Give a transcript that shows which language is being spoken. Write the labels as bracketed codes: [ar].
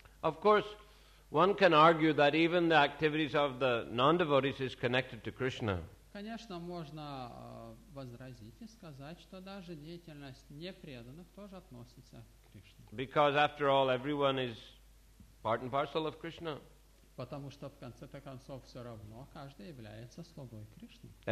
[en] Of course, one can argue that even the activities of the non-devotees is connected to Krishna. [ru] Конечно, можно возразить и сказать, что даже деятельность непреданных тоже относится к Кришне. [en] Because after all, everyone is part and parcel of Krishna. [ru] Потому что в конце-то концов все равно каждый является слугой Кришны.